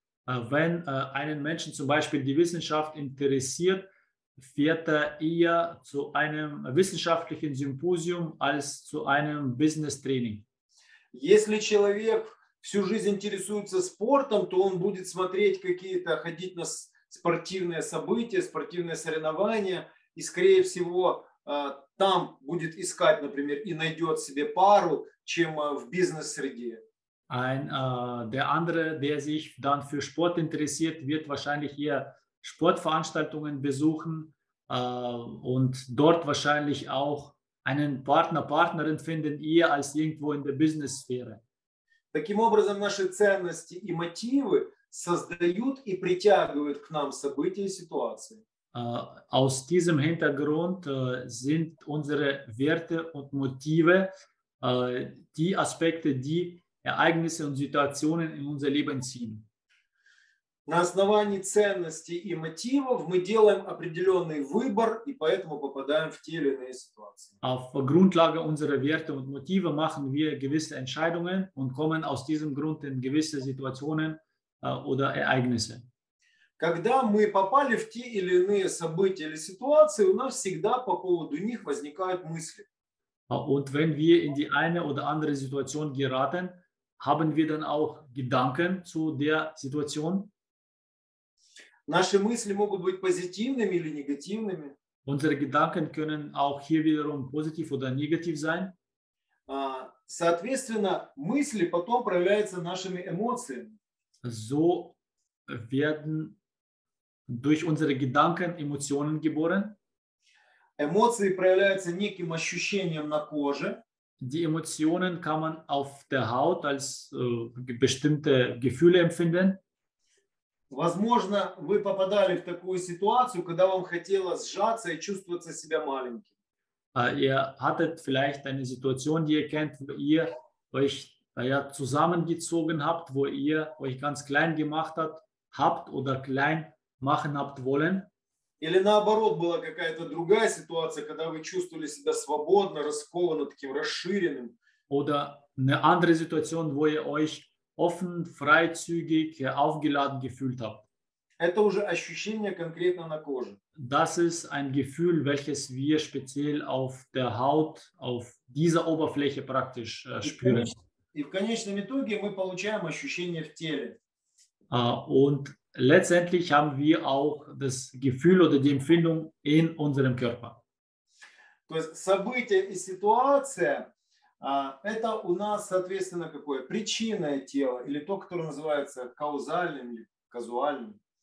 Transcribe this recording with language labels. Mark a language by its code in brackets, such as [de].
[de] Wenn einen Menschen zum Beispiel die Wissenschaft interessiert, fährt er eher zu einem wissenschaftlichen Symposium als zu einem Business-Training. [ru] Если человек всю жизнь интересуется спортом, то он будет смотреть какие-то, ходить на спортивные события, спортивные соревнования, и скорее всего там будет искать, например, и найдет себе пару, чем в бизнес-среде. [de] Der andere, der sich dann für Sport interessiert, wird wahrscheinlich eher Sportveranstaltungen besuchen und dort wahrscheinlich auch einen Partner, Partnerin finden, eher als irgendwo in der Business-Sphäre. [ru] Таким образом, наши ценности и мотивы создают и притягивают к нам события и ситуации. [de] Aus diesem Hintergrund sind unsere Werte und Motive die Aspekte, die Ereignisse und Situationen in unser Leben ziehen. [ru] На основании ценностей и мотивов мы делаем определенный выбор и поэтому попадаем в те или иные ситуации. [de] Auf Grundlage unserer Werte und Motive machen wir gewisse Entscheidungen und kommen aus diesem Grund in gewisse Situationen oder Ereignisse. [ru] Когда мы попали в те или иные события или ситуации, у нас всегда по поводу них возникают мысли. [de] Und wenn wir in die eine oder andere Situation geraten, haben wir dann auch Gedanken zu der Situation? [ru] Наши мысли могут быть позитивными или негативными. [de] Unsere Gedanken können auch hier wiederum positiv oder negativ sein. [ru] Соответственно, мысли потом проявляются нашими эмоциями. [de] So werden durch unsere Gedanken Emotionen geboren. [ru] Эмоции проявляются неким ощущением на коже. [de] Die Emotionen kann man auf der Haut als bestimmte Gefühle empfinden. [ru] Возможно, вы попадали в такую ситуацию, когда вам хотелось сжаться и чувствовать себя маленьким. [de] Ihr hattet vielleicht eine Situation, die ihr kennt, wo ihr euch zusammengezogen habt, wo ihr euch ganz klein gemacht habt oder klein machen habt wollen. [ru] Или наоборот, была какая-то другая ситуация, когда вы чувствовали себя свободно, раскованно, таким расширенным. [de] Oder eine andere Situation, wo ihr euch offen, freizügig, aufgeladen gefühlt habt. [ru] Это уже ощущение конкретно на коже. [de] Das ist ein Gefühl, welches wir speziell auf der Haut, auf dieser Oberfläche praktisch spüren. [ru] И в конечном итоге мы получаем ощущение в теле. [de] Und letztendlich haben wir auch das Gefühl oder die Empfindung in unserem Körper. [ru] То есть события и ситуация. Это у нас, соответственно, какое? Причинное тело или то, которое называется каузальным или казуальным?